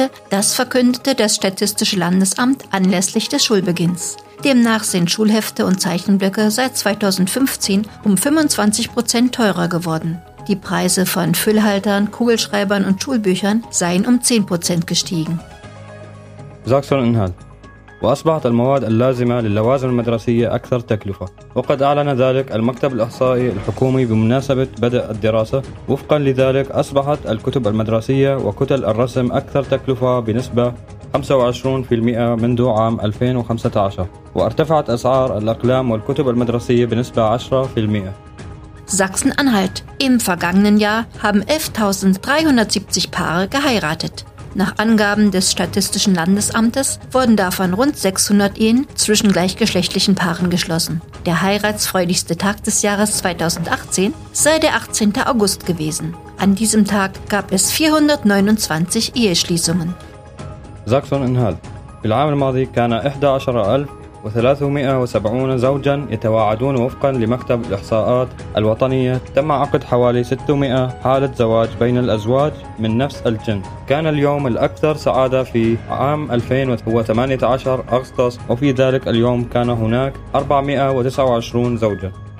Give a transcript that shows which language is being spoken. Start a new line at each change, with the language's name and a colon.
German: Das verkündete das Statistische Landesamt anlässlich des Schulbeginns. Demnach sind Schulhefte und Zeichenblöcke seit 2015 um 25% teurer geworden. Die Preise von Füllhaltern, Kugelschreibern und Schulbüchern seien um 10% gestiegen.
Arabic: Sachsen-Anhalt وأصبحت المواد اللازمة للوازم المدرسية أكثر تكلفة وقد أعلن ذلك المكتب الإحصائي الحكومي بمناسبة بدء الدراسة وفقا لذلك أصبحت الكتب المدرسية وكتل الرسم أكثر تكلفة بنسبة 25% منذ عام 2015 وارتفعت أسعار الأقلام والكتب المدرسية بنسبة 10%
German: Sachsen-Anhalt Im vergangenen Jahr haben 11.370 Paare geheiratet. Nach Angaben des Statistischen Landesamtes wurden davon rund 600 Ehen zwischen gleichgeschlechtlichen Paaren geschlossen. Der heiratsfreudigste Tag des Jahres 2018 sei der 18. August gewesen. An diesem Tag gab es 429 Eheschließungen. Sachsen-Anhalt.
Arabic: في العام الماضي كان 11370 زوجا يتواعدون وفقا لمكتب الإحصاءات الوطنية. تم عقد حوالي 600 حالة زواج بين الأزواج من نفس الجنس. كان اليوم الأكثر سعادة في عام 2018 أغسطس، وفي ذلك اليوم كان هناك 429 زوجة.